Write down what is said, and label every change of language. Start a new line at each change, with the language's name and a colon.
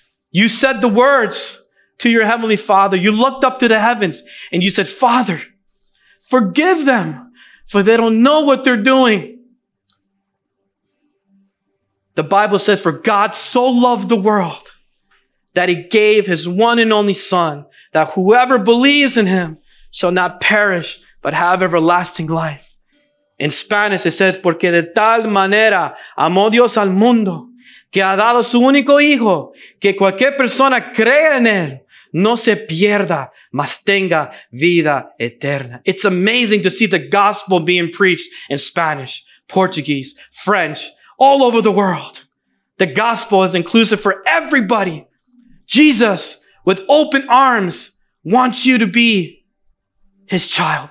English: You said the words to your Heavenly Father. You looked up to the heavens and you said, Father, forgive them, for they don't know what they're doing. The Bible says, for God so loved the world that he gave his one and only Son, that whoever believes in him shall not perish, but have everlasting life. In Spanish, it says,
Spanish: porque de tal manera amó Dios al mundo, que ha dado su único hijo, que cualquier persona crea en él, no se pierda, mas tenga vida eterna.
English: It's amazing to see the gospel being preached in Spanish, Portuguese, French, all over the world. The gospel is inclusive for everybody. Jesus, with open arms, wants you to be his child.